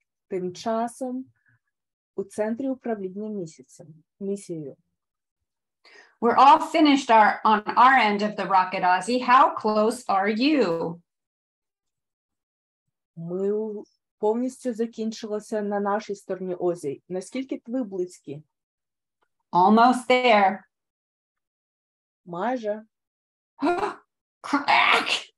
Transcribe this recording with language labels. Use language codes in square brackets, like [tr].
[uk] Тим часом у центрі управління місяцем, місією. [en] We're all finished on our end of the rocket, Ozzy. How close are you? [uk] Ми повністю закінчилося на нашій стороні, Ozzy. Наскільки ви близькі? [en] Almost there. [uk] Майже. Крак!